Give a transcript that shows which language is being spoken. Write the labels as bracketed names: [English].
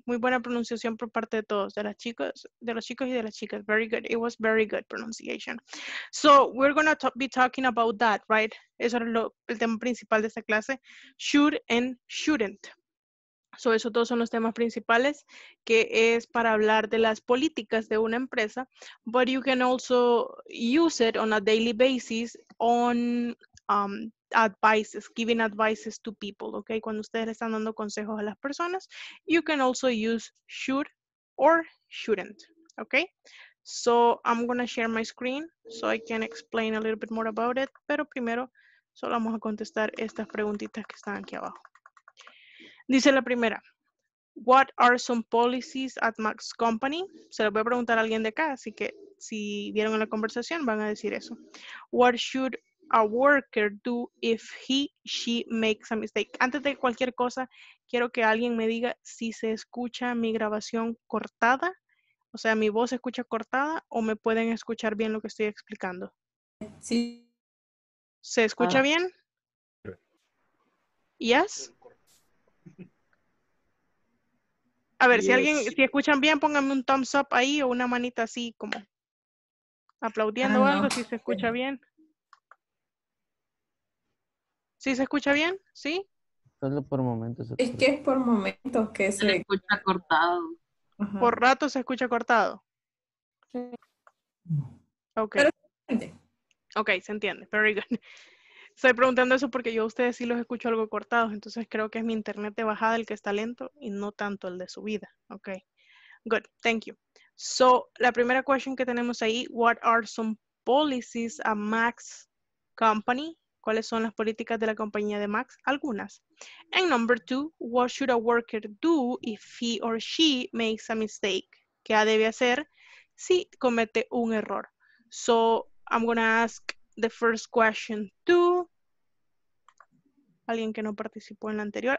[Spanish] Muy buena pronunciación por parte de todos, de las chicas, de los chicos y de las chicas. [English] Very good. It was very good pronunciation. So we're going to be talking about that, right? [Spanish] Eso era el tema principal de esta clase. Should and shouldn't. So esos dos son los temas principales, que es para hablar de las políticas de una empresa. [English] But you can also use it on a daily basis on... advices, giving advices to people, okay? [Spanish] Cuando ustedes le están dando consejos a las personas, [English] you can also use should or shouldn't, okay? So I'm gonna share my screen so I can explain a little bit more about it, [Spanish] pero primero solo vamos a contestar estas preguntitas que están aquí abajo. Dice la primera, [English] what are some policies at Max Company? [Spanish] Se lo voy a preguntar a alguien de acá, así que si vieron en la conversación van a decir eso. [English] What should a worker do if he, she makes a mistake? [Spanish] Antes de cualquier cosa, quiero que alguien me diga si se escucha mi grabación cortada, o sea, mi voz se escucha cortada, o me pueden escuchar bien lo que estoy explicando. Sí. ¿Se escucha bien? [English] Yes. [Spanish] A ver, yes. Si escuchan bien, pónganme un thumbs up ahí, o una manita así, como aplaudiendo algo, si se escucha bien. ¿Sí se escucha bien? ¿Sí? Solo por momentos. Es que es por momentos que se escucha cortado. Ajá. Por rato se escucha cortado. Sí. Ok. Pero se entiende. Ok, se entiende. [English] Very good. [Spanish] Estoy preguntando eso porque yo a ustedes sí los escucho algo cortados. Entonces creo que es mi internet de bajada el que está lento y no tanto el de subida. [English] Ok. Good. Thank you. So, [Spanish] la primera question que tenemos ahí, [English] what are some policies a Max Company? [Spanish] ¿Cuáles son las políticas de la compañía de Max? Algunas. [English] And number two, what should a worker do if he or she makes a mistake? [Spanish] ¿Qué debe hacer si comete un error? [English] So, I'm going to ask the first question to [Spanish] alguien que no participó en la anterior.